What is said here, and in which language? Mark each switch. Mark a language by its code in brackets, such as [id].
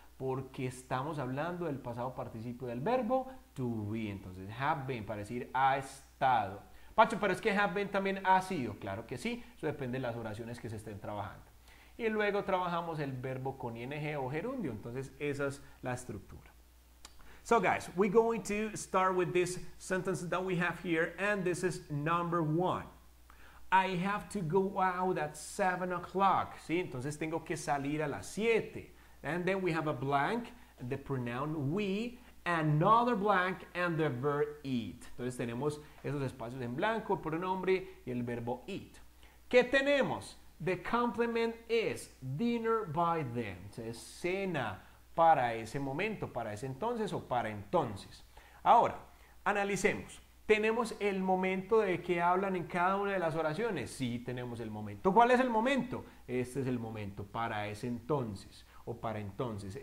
[es] Porque estamos hablando del pasado participio del verbo to be, entonces have been, para decir ha estado. Pacho, pero es que have been también ha sido. Claro que sí, eso depende de las oraciones que se estén trabajando. Y luego trabajamos el verbo con ing o gerundio. Entonces, esa es la estructura. [en] So, guys, we're going to start with this sentence that we have here. And this is number one. I have to go out at 7 o'clock. [es] ¿Sí? Entonces, tengo que salir a las 7. [en] And then we have a blank, the pronoun we, another blank and the verb eat. [es] Entonces tenemos esos espacios en blanco, el pronombre y el verbo eat. ¿Qué tenemos? [en] The complement is dinner by then. [es] Es cena para ese momento, para ese entonces o para entonces. Ahora, analicemos. ¿Tenemos el momento de que hablan en cada una de las oraciones? Sí, tenemos el momento. ¿Cuál es el momento? Este es el momento, para ese entonces o para entonces.